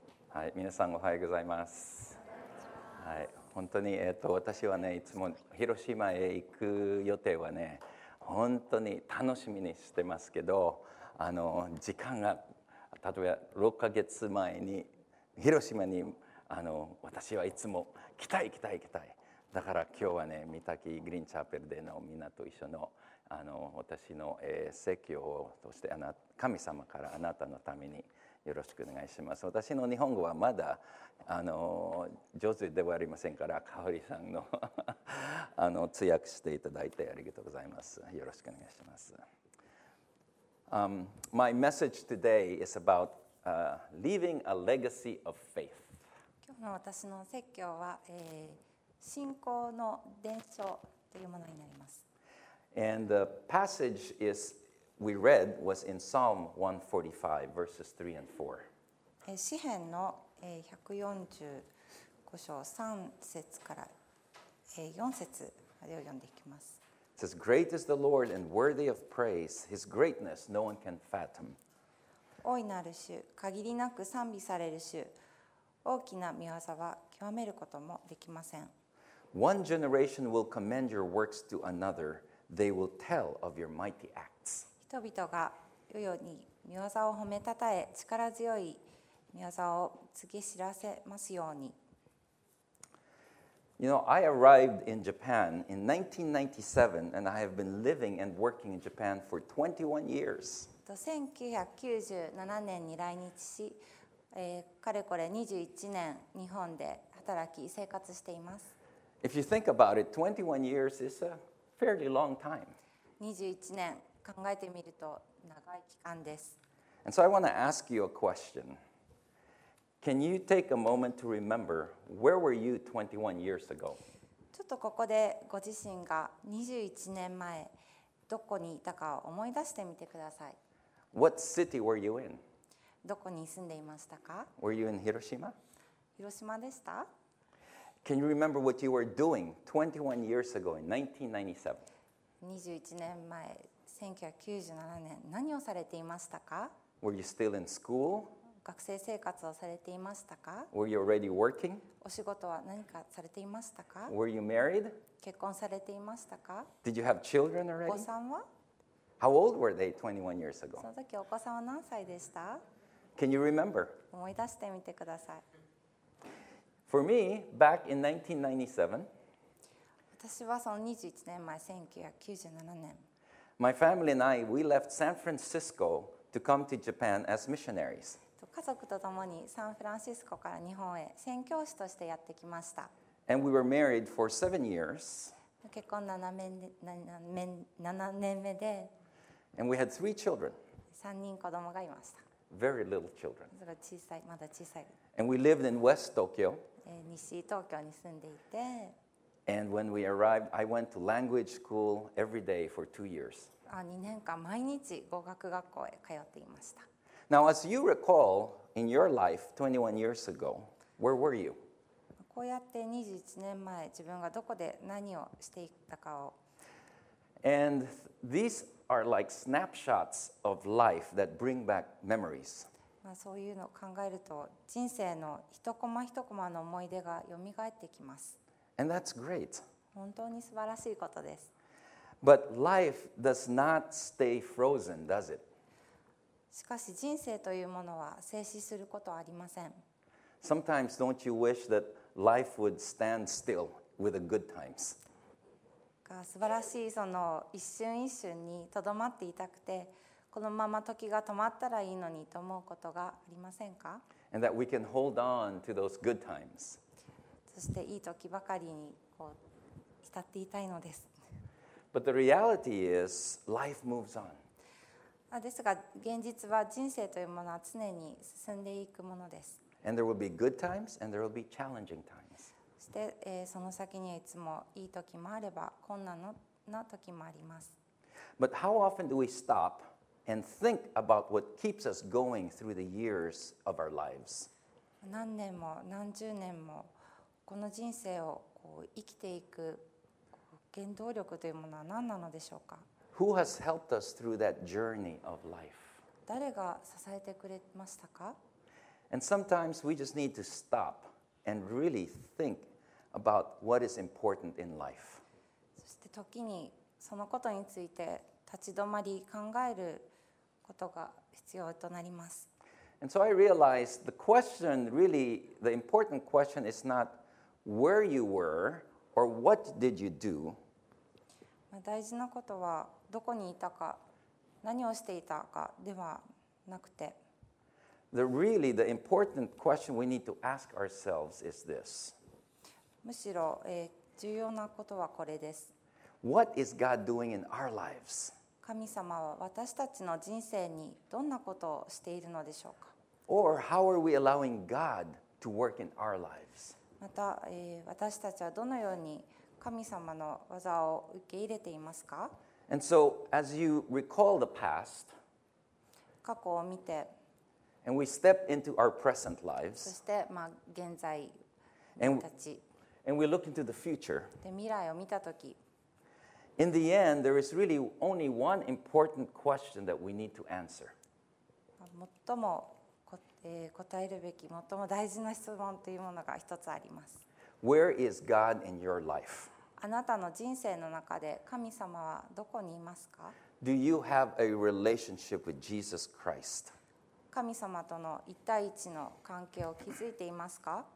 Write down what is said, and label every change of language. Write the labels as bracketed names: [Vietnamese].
[Japanese] はい、皆さんおはようございます、はい、本当に、私は、ね、いつも広島へ行く予定は、ね、本当に楽しみにしてますけど、あの時間が例えば6ヶ月前に広島に、あの私はいつも来たい来たい来たい、だから今日は、ね、御嶽グリーンチャーペルでのみんなと一緒 の、 あの私の、説教を通して、神様からあなたのためによろしくお願いします。私の日本語はまだ上手ではありませんから、香織さん の、 あの通訳していただいてありがとうございます。よろしくお願いします。 [English] My message today is about leaving a legacy of faith. [Japanese] 今日の私の説教は、信仰の伝承というものになります。 [English] And the passage isWe read was in Psalm 145, verses 3 and 4. [Japanese] 詩編の145章3節から4節までを読んでいきます。 [English] It says, Great is the Lord and worthy of praise. His greatness no one can fathom. [Japanese] 大いなる主、限りなく賛美される主、大きな御業は極めることもできません。 [English] One generation will commend your works to another. They will tell of your mighty acts. [Japanese] 人々が世々に御業を褒めたたえ、力強い御業を告げ知らせますように。 [English] You know, I arrived in Japan in 1997, and I have been living and working in Japan for 21 years. [Japanese] 1997年に来日し、かれこれ21年、日本で働き、生活しています。 [English] If you think about it, 21 years is a fairly long time. [Japanese] 21年。考えてみると長い期間です。 [English] And so I want to ask you a question. Can you take a moment to remember where were you 21 years ago? [Japanese] ちょっとここでご自身が21年前どこにいたかを思い出してみてください。 [English] What city were you in? [Japanese] どこに住んでいましたか? [English] Were you in Hiroshima? [Japanese] 広島でした? [English] Can you remember what you were doing 21 years ago in 1997? [Japanese] 21年前1997年、何をされていましたか? [English] Were you still in school? [Japanese] 学生生活をされていましたか? [English] Were you already working? [Japanese] お仕事は何かされていましたか? [English] Were you married? [Japanese] 結婚されていましたか? [English] Did you have children already? [Japanese] お子さんは? [English] How old were they 21 years ago? [Japanese] その時お子さんは何歳でした? [English] Can you remember? [Japanese] 思い出してみてください。 [English] For me, back in 1997, [Japanese] 私はその21年前、1997年、 [English] My family and I, we left San Francisco to come to Japan as missionaries. [Japanese] 家族と共にサンフランシスコから日本へ宣教師としてやってきました。 [English] And we were married for 7 years. [Japanese] 結婚7年目で、 [English] And we had 3 children. [Japanese] 3人子供がいました。 [English] Very little children. [Japanese] それ小さい、まだ小さい。 [English] And we lived in West Tokyo. [Japanese] 西東京に住んでいて、 [English] And when we arrived, I went to language school every day for 2 years. [Japanese] 2年間毎日語学学校へ通っていました。 [English] Now, as you recall, in your life 21 years ago, where were you? [Japanese] こうやって21年前、自分がどこで何をしていたかを。 [English] And these are like snapshots of life that bring back memories. [Japanese] そういうのを考えると、人生の一コマ一コマの思い出が蘇ってきます。 [English] And that's great. [Japanese] 本当に素晴らしいことです。 [English] But life does not stay frozen, does it? [Japanese] しかし人生というものは静止することはありません。 [English] Sometimes don't you wish that life would stand still with the good times? [Japanese] 素晴らしいその一瞬一瞬にとどまっていたくて、このまま時が止まったらいいのにと思うことがありませんか? [English] And that we can hold on to those good times. [Japanese] そしていい時ばかりにこう浸っていたいのです。 [English] But the reality is, life moves on. [Japanese] ですが現実は人生というものは常に進んでいくものです。 [English] And there will be good times and there will be challenging times. [Japanese] そして、その先にはいつもいい時もあれば困難な時もあります。 [English] But how often do we stop and think about what keeps us going through the years of our lives? [Japanese] 何年も何十年もこの人生をこう生きていく原動力というものは何なのでしょうか? [English] Who has helped us through that journey of life? [Japanese] 誰が支えてくれましたか? [English] And sometimes we just need to stop and really think about what is important in life. [Japanese] そして時にそのことについて立ち止まり考えることが必要となります。 [English] And so I realized the question, really, the important question is not where you were or what did you do. [Japanese] 大事なことはどこにいたか、何をしていたかではなくて。 [English] The really, the important question we need to ask ourselves is this. [Japanese] むしろ、重要なことはこれです。 [English] What is God doing in our lives? [Japanese] 神様は私たちの人生にどんなことをしているのでしょうか。 [English] Or how are we allowing God to work in our lives? [Japanese] また、私たちはどのように神様の技を受け入れていますか。 [English] And so, as you recall the past, [Japanese] 過去を見て、 [English] And we step into our present lives. [Japanese] そして、まあ、現在たち。 [English] And we look into the future. [Japanese] で、未来を見たとき。 [English] In the end, there is really only one important question that we need to answer. [Japanese] 最も、答えるべき、最も大事な質問というものが一つあります。 [English] Where is God in your life? [Japanese] あなたの人生の中で神様はどこにいますか? [English] Do you have a relationship with Jesus Christ? [Japanese] 神様との一対一の関係を築いていますか?